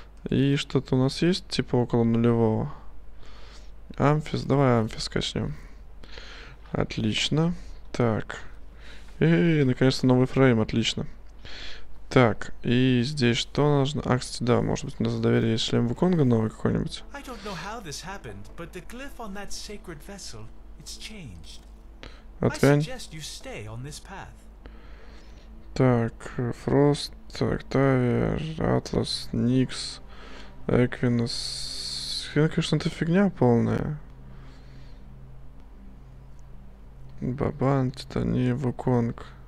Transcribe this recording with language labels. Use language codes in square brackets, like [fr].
[ru] И что-то у нас есть, типа, около нулевого. Амфис, давай Амфис качнем. Отлично. Так. И наконец-то, новый фрейм, отлично. Так, и здесь что нужно? А, кстати, да, может быть, у нас доверие есть шлем Вуконга новый какой-нибудь. [en] I don't know how this happened, but the glyph on that sacred vessel, it's changed. I suggest you stay on this path. [ru] Так, Фрост, Октавия, Атлас, Никс, Эквинус. Хрена, конечно, это фигня полная. Бабан, Титани, Вуконг.